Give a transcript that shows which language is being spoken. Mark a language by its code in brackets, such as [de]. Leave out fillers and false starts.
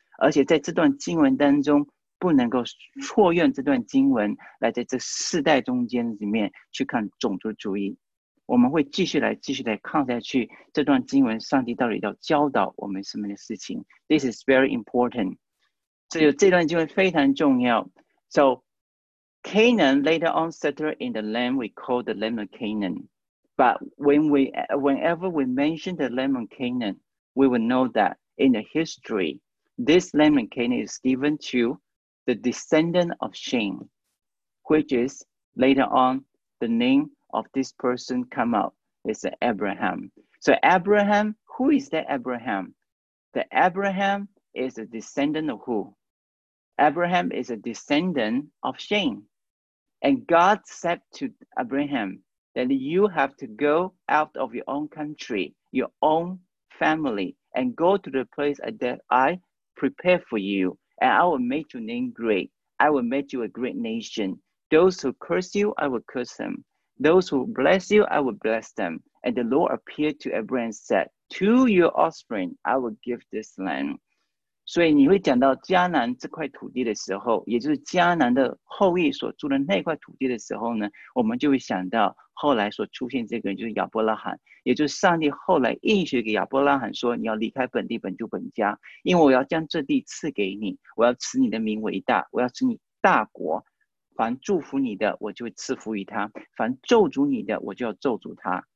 [zh] 而且在这段经文当中，不能够错用这段经文来在这世代中间里面去看种族主义。我们会继续来继续来看下去这段经文，上帝到底要教导我们什么的事情。 [en] This is very important. [zh] 所以这段经文非常重要。 [en] So, Canaan later on settled in the land we call the land of Canaan. But whenever we mention the land of Canaan, we will know that in the history, this land of Canaan is given to the descendant of Shem, which is later on the name of this person come out. It's Abraham. So Abraham, who is that Abraham? The Abraham is a descendant of who? Abraham is a descendant of Shem. And God said to Abraham that you have to go out of your own country, your own family, and go to the place that I prepare for you. And I will make your name great. I will make you a great nation. Those who curse you, I will curse them. Those who bless you, I will bless them. And the Lord appeared to Abraham and said, to your offspring, I will give this land. [zh] 所以你会讲到迦南这块土地的时候，也就是迦南的后裔所住的那块土地的时候呢，我们就会想到后来所出现这个人就是亚伯拉罕，也就是上帝后来应许给亚伯拉罕说，你要离开本地本族本家，因为我要将这地赐给你，我要赐你的名为大，我要赐你大国，凡祝福你的我就会赐福于他，凡咒诅你的我就要咒诅他。